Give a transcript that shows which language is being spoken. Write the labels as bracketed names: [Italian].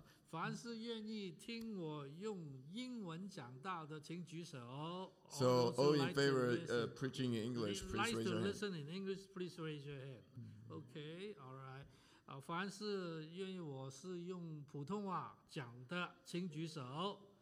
[Chinese] 凡是愿意听我用英文讲道的，请举手。 [English] So, all in favor preaching in English, please raise your hand. Like to listen in English, please raise your hand. Okay, all right. [Chinese] 凡是愿意我是用普通话讲的，请举手。